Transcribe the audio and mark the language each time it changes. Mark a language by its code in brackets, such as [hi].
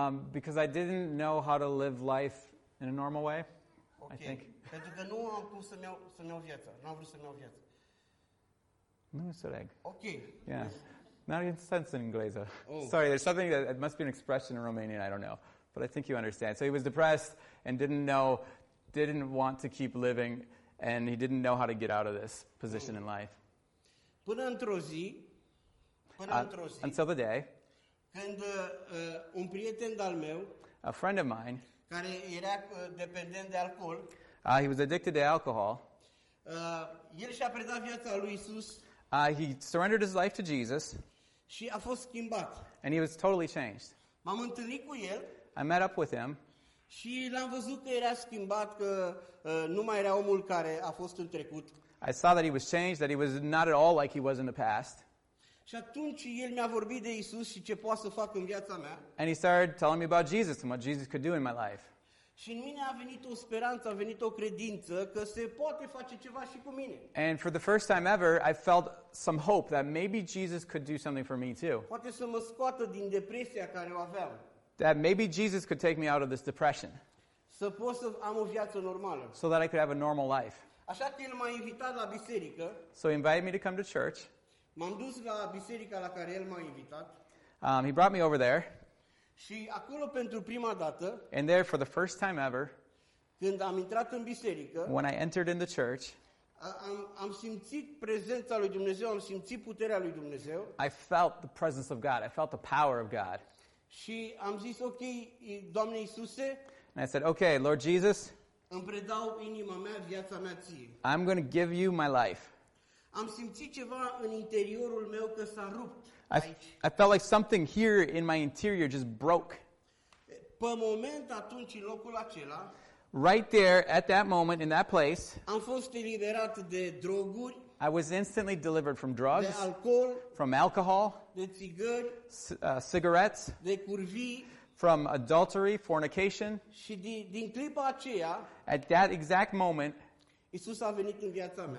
[en] Because I didn't know how to live life in a normal way. Okay. I think. [ro] Pentru că nu am cum să-mi iau viața. Nu am vrut să-mi iau viața. Nu înțeleg. Ok. [en] Yeah. Not in sense in English. Oh. Sorry, there's something that it must be an expression in Romanian, I don't know. But I think you understand. So he was depressed and didn't want to keep living, and he didn't know how to get out of this position in life. [ro] Până într-o zi, [en] until the day, [ro] când un prieten al meu, [en] a friend of mine, [ro] care era dependent de alcool, [en] he was addicted to alcohol, [ro] el și-a predat viața lui Isus, [en] he surrendered his life to Jesus, [ro] și a fost schimbat. [en] And he was totally changed. [ro] M-am întâlnit cu el. [en] I met up with him. [ro] Și l-am văzut că era schimbat, că nu mai era omul care a fost în trecut. [en] I saw that he was changed, that he was not at all like he was in the past. [ro] Și atunci el mi-a vorbit de Isus și ce poate să fac în viața mea. [en] And he started telling me about Jesus and what Jesus could do in my life. [ro] Și în mine a venit o speranță, a venit o credință că se poate face ceva și cu mine. [en] And for the first time ever, I felt some hope that maybe Jesus could do something for me too. [ro] Poate să mă scoată din depresia care o aveam. [en] That maybe Jesus could take me out of this depression. [ro] Să pot să am o viață normală. [en] So that I could have a normal life. [ro] Așa că el m-a invitat la biserică. [en] So he invited me to come to church. [ro] M-am dus la biserica la care el m-a invitat. [en] He brought me over there. [ro] Și acolo pentru prima dată. [en] And there for the first time ever. [ro] Când am intrat în biserică. [en] When I entered in the church. [ro] Am simțit prezența lui Dumnezeu, am simțit puterea lui Dumnezeu. [en] I felt the presence of God. I felt the power of God. [ro] Și am zis, ok, Doamne Iisuse. [en] And I said, okay, Lord Jesus. [ro] Îmi predau inima mea, viața mea ție. [en] I'm going to give you my life. [ro] Am simțit ceva în interiorul meu că s-a rupt. [en] I felt like something here in my interior just broke. [ro] Pe moment atunci, în locul acela, [en] right there, at that moment, in that place, [ro] am fost eliberat de droguri, [en] I was instantly delivered from drugs, [ro] de alcohol, [en] from alcohol, [ro] de țigări, [en] cigarettes, [ro] de curvii, [en] from adultery, fornication. [ro] Și din clipa aceea, [en] at that exact moment, [ro] Iisus a venit în viața mea.